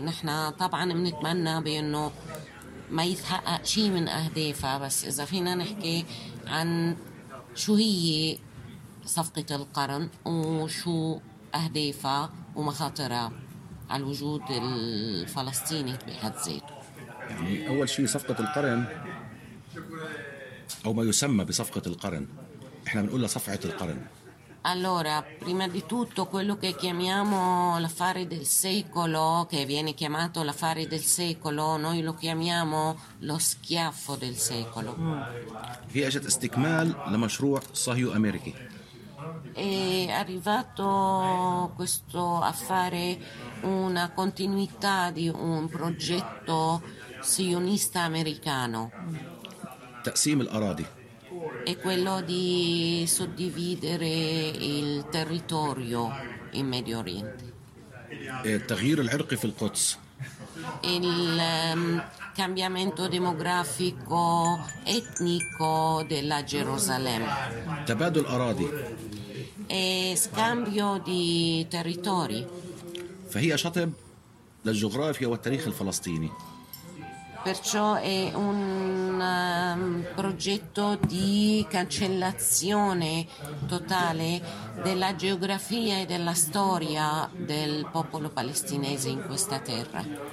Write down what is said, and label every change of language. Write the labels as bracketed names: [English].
[Arabic] نحن طبعا منتمنى بأنه ما يتحقق شيء من أهدافها، بس إذا فينا نحكي عن شو هي صفقة القرن وشو أهدافها ومخاطرها على الوجود الفلسطيني بحد ذاته. يعني أول شيء صفقة القرن أو ما يسمى بصفقة القرن، إحنا بنقول لها صفعة القرن. [Italian] Allora, prima di tutto quello che chiamiamo l'affare del secolo, che viene chiamato l'affare del secolo, noi lo chiamiamo lo schiaffo del secolo. [Arabic] هي اجت استكمال لمشروع صهيو امريكي. [Italian] È arrivato questo affare una continuità di un progetto sionista americano. [Arabic] تقسيم الاراضي. [Italian] È quello di suddividere il territorio in Medio Oriente. [Arabic] التغيير العرقي في القدس. [Italian] Il cambiamento demografico etnico della Gerusalemme. [Arabic] تبادل أراضي. [Italian] E scambio di territori. [Arabic] فهي شطب للجغرافيا والتاريخ الفلسطيني. [Italian] Perciò è un progetto di cancellazione totale della geografia e della storia del popolo palestinese in questa terra.